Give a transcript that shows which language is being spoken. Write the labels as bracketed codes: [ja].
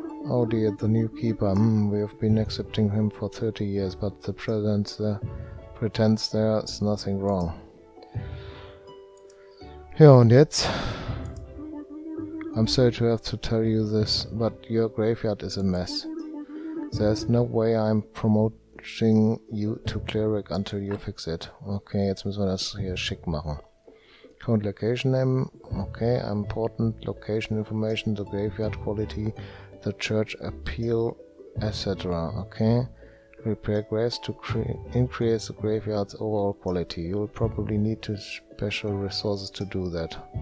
[en] Oh dear, the new keeper. We have been accepting him for 30 years, but the president pretends there's nothing wrong. [de] Ja, und jetzt? [en] I'm sorry to have to tell you this, but your graveyard is a mess. There's no way I'm promoting you to cleric until you fix it. [de] Okay, jetzt müssen wir das hier schick machen. [en] Current location name. Okay, important location information, the graveyard quality, the church appeal, etc. Okay, repair grass to increase the graveyard's overall quality. You'll probably need to special resources to do that.